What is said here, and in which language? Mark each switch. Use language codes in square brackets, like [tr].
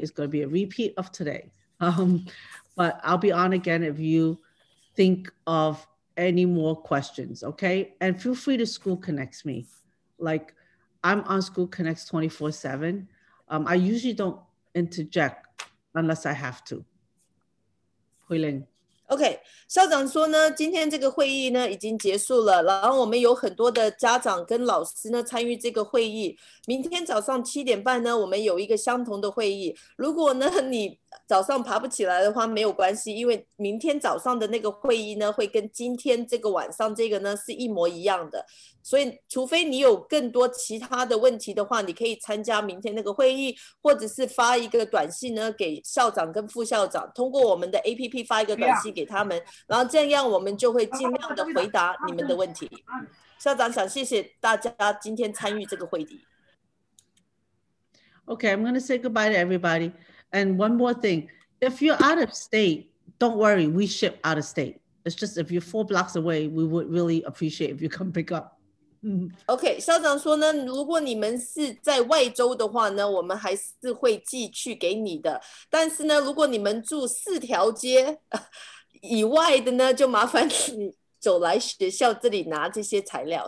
[en] It's going to be a repeat of today. But I'll be on again if you think of any more questions, okay? And feel free to School Connects me. Like, I'm on School Connects 24/7. I usually don't interject unless I have to. Huiling. [zh] OK， 校长说呢，今天这个会议呢已经结束了，然后我们有很多的家长跟老师呢参与这个会议。明天早上7:30呢，我们有一个相同的会议。如果呢你早上爬不起来的话，没有关系，因为明天早上的那个会议呢会跟今天这个晚上这个呢是一模一样的。所以除非你有更多其他的问题的话，你可以参加明天那个会议，或者是发一个短信呢给校长跟副校长，通过我们的 APP 发一个短信给他们，然后这样我们就会尽量的回答你们的问题。校长想谢谢大家今天参与这个会议。 [en] Okay, I'm going to say goodbye to everybody. And one more thing, if you're out of state, don't worry, we ship out of state. It's just if you're 4 blocks away, we would really appreciate if you come pick up. [zh] OK， 校长说呢，如果你们是在外州的话呢，我们还是会寄去给你的。但是呢，如果你们住4条街以外的呢，就麻烦你走来学校这里拿这些材料。